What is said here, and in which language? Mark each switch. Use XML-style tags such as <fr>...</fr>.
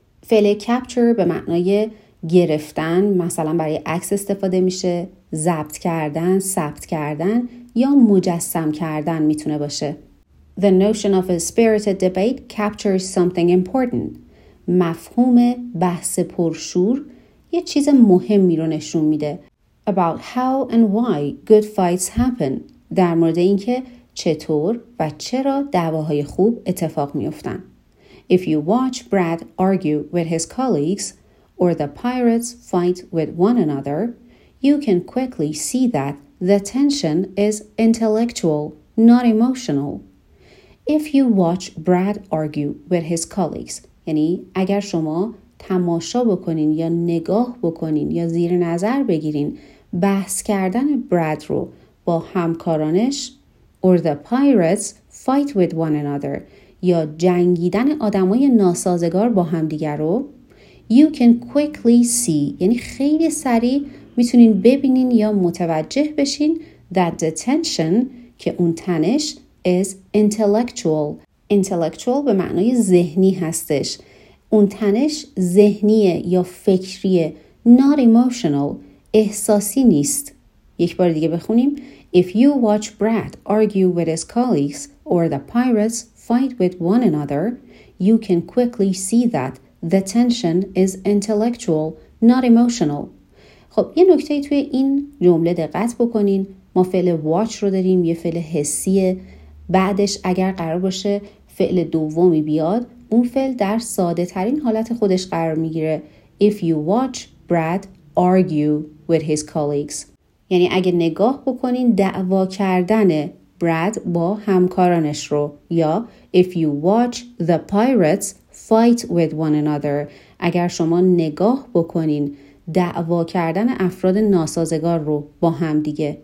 <fa>فعل capture به معنای گرفتن مثلا برای عکس استفاده میشه، ضبط کردن، ثبت کردن یا مجسم کردن میتونه باشه.</fa> <en>The notion of a spirited debate captures something important.</en> <fa>مفهوم بحث پرشور یه چیز مهمی رو نشون میده.</fa> <en>About how and why good fights happen.</en> <fa>در مورد اینکه چطور و چرا دعواهای خوب اتفاق میفتن.</fa> <en>If you watch Brad argue with his colleagues or the pirates fight with one another, you can quickly see that the tension is intellectual, not emotional. If you watch Brad argue with his colleagues,</en> <fa>یعنی اگر شما تماشا بکنین یا نگاه بکنین یا زیر نظر بگیرین بحث کردن براد رو با همکارانش</fa> <en>or the pirates fight with one another</en> <fa>یا جنگیدن آدمای ناسازگار با همدیگر رو</fa> <en>you can quickly see</en> <fa>یعنی خیلی سریع میتونین ببینین یا متوجه بشین</fa> <en>that the tension</en> <fa>که اون تنش</fa> <en>is intellectual.</en> <fa>Intellectual به معنای ذهنی هستش. اون تنش ذهنیه یا فکریه.</fa> <en>Not emotional.</en> <fa>احساسی نیست. یک بار دیگه بخونیم.</fa> <en>If you watch Brad argue with his colleagues or the pirates fight with one another, you can quickly see that the tension is intellectual, not emotional.</en> <fa>خب یه نکته توی این جمله دقت بکنین. ما فعل watch رو داریم، یه فعل حسیه. بعدش اگر قرار باشه فعل دومی بیاد، اون فعل در ساده ترین حالت خودش قرار میگیره.</fa> <en>If you watch Brad argue with his colleagues.</en> <fa>یعنی اگه نگاه بکنین دعوا کردن براد با همکارانش رو. یا</fa> <en>If you watch the pirates fight with one another.</en> <fa>اگر شما نگاه بکنین دعوا کردن افراد ناسازگار رو با هم دیگه.</fa>